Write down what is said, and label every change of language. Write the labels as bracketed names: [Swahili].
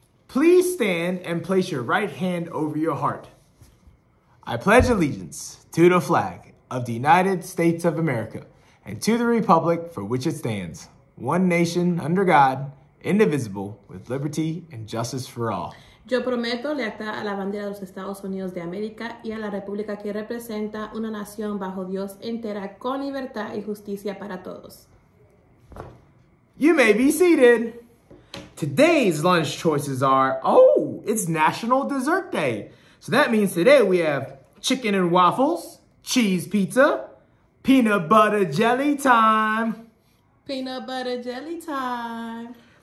[English] Please stand and place your right hand over your heart. I pledge allegiance to the flag of the United States of America and to the republic for which it stands, one nation under God, indivisible, with liberty and justice for all. [Spanish] Yo prometo lealtad a la bandera de los Estados Unidos de América y a la república que representa una nación bajo Dios entera con libertad y justicia para todos. [English] You may be seated. Today's lunch choices are, oh, it's National Dessert Day. So that means today we have chicken and waffles, cheese pizza, peanut butter jelly time. Peanut butter jelly time.